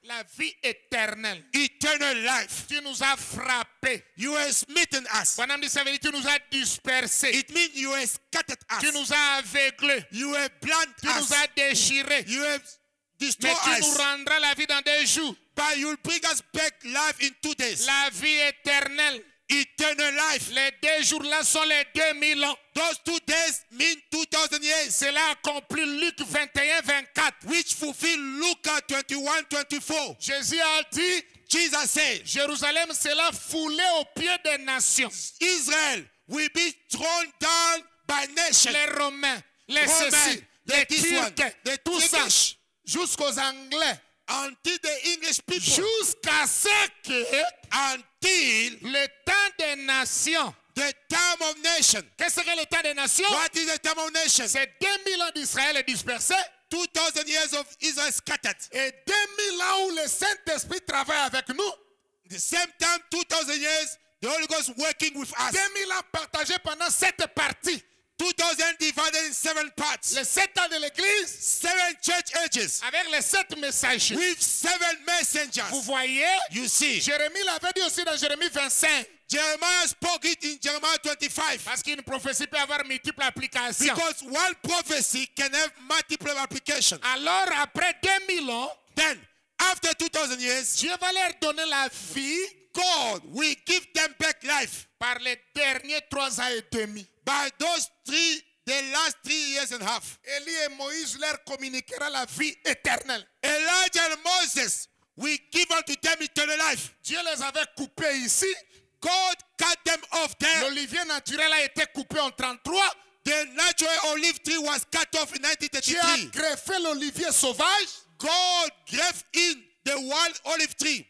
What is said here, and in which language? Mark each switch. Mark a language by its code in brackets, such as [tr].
[fr] la vie éternelle, [en] eternal life. [fr] Tu nous as frappé, [en] you have smitten us. When I'm disabled, [fr] tu nous as dispersé, [en] it means you have scattered us. [fr] Tu nous as aveuglé, [en] you have blinded [fr] us. Tu nous as déchiré, [en] you have destroyed [fr] us. Mais tu nous rendras la vie dans 2 jours. [en] But you will bring us back life in 2 days. [fr] La vie éternelle, [en] eternal life. [fr] Les 2 jours là sont les 2000 ans. [en] Those 2 days mean 2000 years. [fr] Cela accomplit Luc 21-24. [en] Which fulfill Luke 21-24. [fr] Jésus a dit, [en] Jesus said, [fr] Jérusalem sera foulée aux pieds des nations. [en] Israel will be thrown down by nations. [fr] Les Romains, les Romains, ceci, les Turcs, les Turcs, jusqu'aux Anglais. [en] Until the English people. [fr] Jusqu'à ce que, [en] until [fr] le temps des nations. [en] The time of nation. [fr] Qu'est-ce que le temps des nations? [en] What is the time of nation? [fr] C'est 2000 ans d'Israël dispersé. [en] 2000 years of Israel scattered. [fr] Et 2000 ans où le Saint-Esprit travaille avec nous. [en] The same time, 2000 years, the Holy Ghost working with us. [fr] 2000 ans partagés pendant 7 parties. [en] 2000 divided in 7 parts. [fr] Les 7 ans de l'église. [en] 7 church ages. [fr] Avec les 7 messagers. [en] With 7 messengers. [fr] Vous voyez? [en] You see. [fr] Jérémie l'avait dit aussi dans Jérémie 25. [en] Jeremiah spoke it in Jeremiah 25. [fr] Parce qu'une prophétie peut avoir multiple applications. [en] Because one prophecy can have multiple applications. [fr] Alors après 2000 ans, [en] then after 2000 years, [fr] Dieu va leur donner la vie. [en] God will give them back life. [fr] Par les derniers 3 ans et demi. [en] By those 3, the last 3 years and a half. [fr] Élie et Moïse leur communiquera la vie éternelle. [en] Elijah and Moses will give unto them eternal life. [fr] Dieu les avait coupés ici. [en] God cut them off there. [fr] L'olivier naturel a été coupé en 33. [en] The natural olive tree was cut off in 1933. [fr] Dieu a greffé l'olivier sauvage. [en] God greffed in the wild olive tree.